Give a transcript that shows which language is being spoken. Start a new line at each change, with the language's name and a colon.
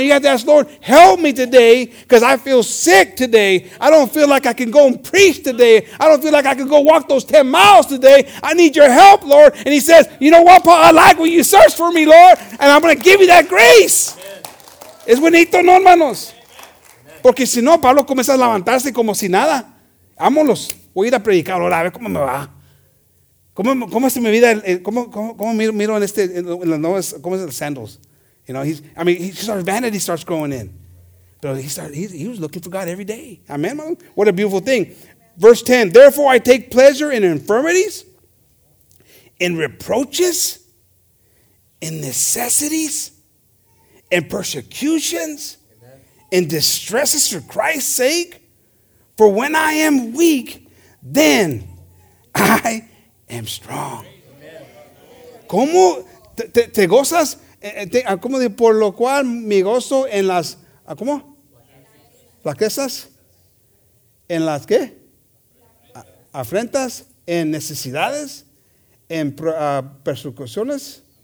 English: You have to ask, Lord, help me today, because I feel sick today. I don't feel like I can go and preach today. I don't feel like I can go walk those 10 miles today. I need your help, Lord. And he says, you know what, Paul? I like when you search for me, Lord, and I'm going to give you that grace.
Spanish: Es bonito, ¿no, hermanos?
English: Amen.
Spanish: Porque si no, Pablo comienza a levantarse como si nada. Vámonos, voy a ir a predicar ahora, a ver cómo me va. ¿Cómo es mi vida? ¿Cómo miro en este, en las nuevas, cómo es el sandals?
English: You know, his vanity starts growing in. But he was looking for God every day. Amen. What a beautiful thing. Verse 10, therefore I take pleasure in infirmities, in reproaches, in necessities, in persecutions, in distresses for Christ's sake. For when I am weak, then I am strong.
Spanish: ¿Cómo te gozas? ¿Cómo de por lo cual mi gozo en las, cómo? ¿Flaquezas? ¿En las qué? ¿Afrentas? ¿En necesidades? ¿En persecuciones?